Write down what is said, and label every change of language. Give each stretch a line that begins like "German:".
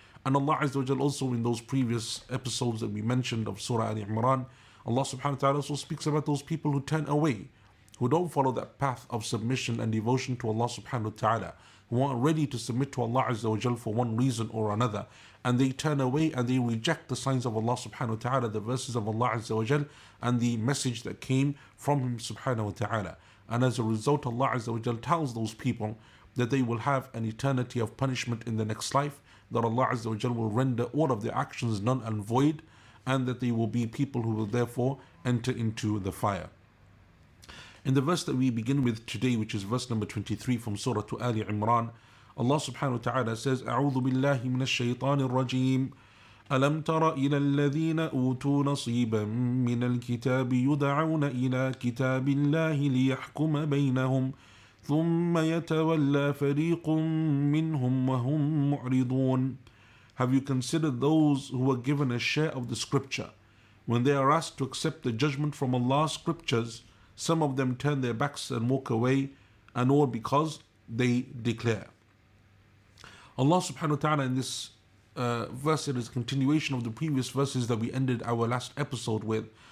English: And Allah azza wa jal also, in those previous episodes that we mentioned of Surah Ali Imran, Allah subhanahu wa ta'ala also speaks about those people who turn away, who don't follow that path of submission and devotion to Allah subhanahu wa ta'ala, who aren't ready to submit to Allah azza wa jal for one reason or another, and they turn away and they reject the signs of Allah subhanahu wa ta'ala, the verses of Allah azza wa jal, and the message that came from Him subhanahu wa ta'ala. And as a result, Allah azza wa jal tells those people that they will have an eternity of punishment in the next life, that Allah azza wa jal will render all of their actions null and void, and that they will be people who will therefore enter into the fire. In the verse that we begin with today, which is verse number 23 from Surah Ali Imran, Allah subhanahu wa ta'ala says,
Arabic: أعوذ بالله من الشيطان الرجيم ألم تر إلى الذين أوتوا نصيبا من الكتاب يدعون إلى كتاب الله ليحكم بينهم ثم يتولى فريق منهم وهم معرضون.
English: Have you considered those who were given a share of the scripture? When they are asked to accept the judgment from Allah's scriptures, some of them turn their backs and walk away, and all because they declare. Allah subhanahu wa ta'ala in this verse, it is a continuation of the previous verses that we ended our last episode with.